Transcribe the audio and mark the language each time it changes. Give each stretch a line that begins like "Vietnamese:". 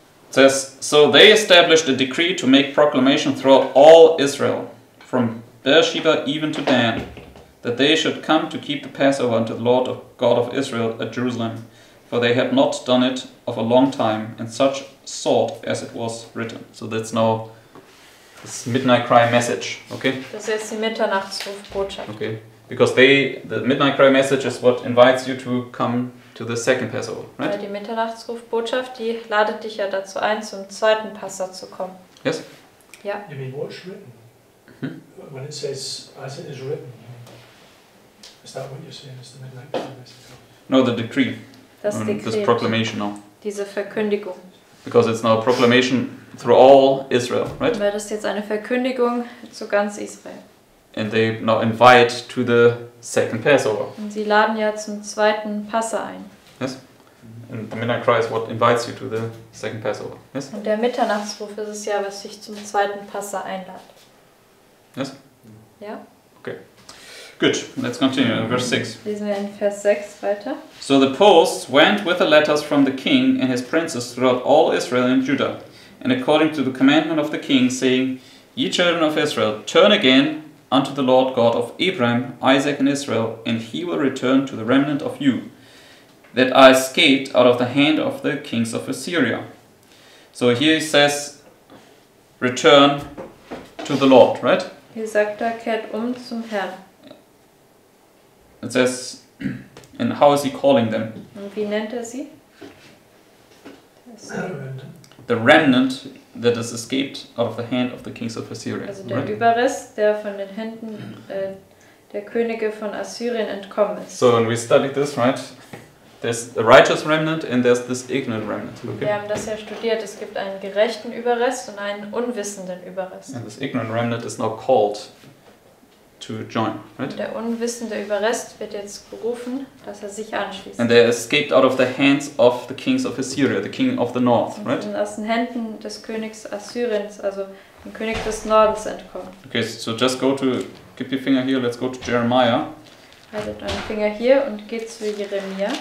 English: says, so they established a decree to make proclamation throughout all Israel, from Beersheba even to Dan, that they should come to keep the Passover unto the Lord of God of Israel at Jerusalem, for they had not done it of a long time, in such sort as it was written. So that's now this midnight cry message, okay?
German: Das ist die Mitternachtsrufbotschaft.
English: Okay, because they, the midnight cry message is what invites you to come to the second Passover, right?
German: Weil die Mitternachtsrufbotschaft, die ladet dich ja dazu ein, zum zweiten Passa zu kommen.
English: Yes?
German: Ja.
English: You mean what's written? Hmm? When it says, as it is written, is that what you're saying, is the midnight cry message? No, the decree.
German: Das Dekret.
English: This proclamation now.
German: Diese Verkündigung.
English: Because it's now a proclamation through all Israel, right?
German: Weil das jetzt eine Verkündigung zu ganz Israel.
English: And they now invite to the second Passover.
German: Und sie laden ja zum zweiten Passa ein.
English: Yes. And the midnight cry is what invites you to the second Passover. Yes.
German: Und der Mitternachtsruf ist es ja, was dich zum zweiten Passa einlädt.
English: Yes.
German: Ja.
English: Okay. Good. Let's continue. Verse 6.
German: Lesen wir in Vers 6 weiter.
English: So the posts went with the letters from the king and his princes throughout all Israel and Judah, and according to the commandment of the king, saying, ye children of Israel, turn again unto the Lord God of Abraham, Isaac, and Israel, and he will return to the remnant of you that are escaped out of the hand of the kings of Assyria. So here he says, return to the Lord, right?
German: Hier sagt er, kehrt zum Herrn.
English: It says, and how is he calling them?
German: Und wie nennt sie?
English: The remnant that has escaped out of the hand of the kings of Assyria.
German: Also der Überrest, der von den Händen der Könige von Assyrien entkommen ist.
English: So when we studied this, right? There's the righteous remnant and there's this ignorant remnant. Okay.
German: Wir haben das ja studiert. Es gibt einen gerechten Überrest und einen unwissenden Überrest.
English: And this ignorant remnant is now called to join, right?
German: Der unwissende Überrest wird jetzt gerufen, dass sich anschließt.
English: And they escaped out of the hands of the kings of Assyria, the king of the north, right?
German: Und aus den Händen des Königs Assyriens, also dem König des Nordens entkommen.
English: Okay, so just go to, keep your finger here, let's go to Jeremiah.
German: Also deinen Finger hier und geht zu Jeremia.